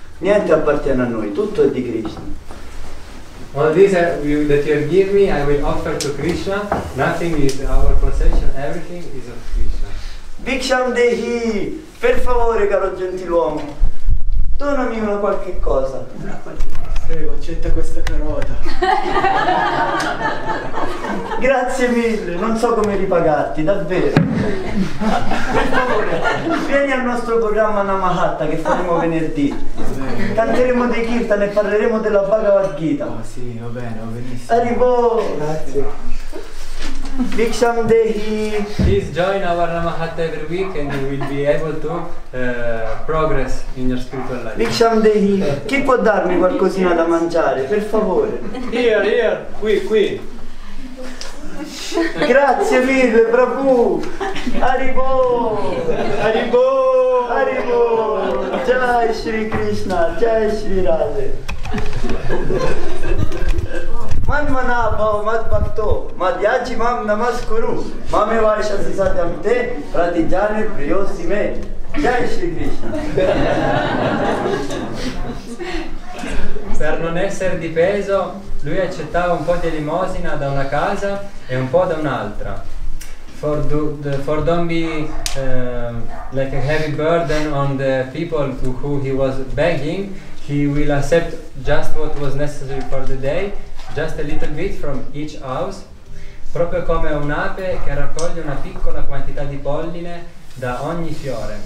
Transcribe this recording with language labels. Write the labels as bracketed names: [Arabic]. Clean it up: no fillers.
[Italian] Niente appartiene a noi, tutto è di Krishna. [English] All these that you have given me, I will offer to Krishna. Nothing is our possession, everything is of Krishna. [Italian] Bhiksham Dehi, per favore, caro gentiluomo, donami una qualche cosa. Prego, accetta questa carota. Grazie mille, non so come ripagarti, davvero. Per favore, vieni al nostro programma Namahatta che faremo venerdì. Canteremo dei kirtan e parleremo della Bhagavad Gita. Ah, sì, va bene, va benissimo. Arrivo! Grazie. [Sanskrit] Bhiksham Dehi. [English] Please join our Namahatta every week and you will be able to progress in your spiritual life. [Sanskrit] Bhiksham Dehi. [Italian] Chi può darmi qualcosina da mangiare, per favore? [English] Here, here, [Italian] qui, qui. Grazie mille, Prabhu. Arrivo. Arrivo. Arrivo. [Sanskrit] Jai Shri Krishna, Jai Shri Radhe. Man mana bhav mat bhakto madhyaji mam namaskuru mame varsha sisatyam te pratijane priyosi me jai shri krishna. [Italian] Per non essere di peso lui accettava un po' di elemosina da una casa e un po' da un'altra. [English] For don't be like a heavy burden on the people to who he was begging, he will accept just what was necessary for the day. Just a little bit from each house, [Italian] proprio come un'ape che raccoglie una piccola quantità di polline da ogni fiore.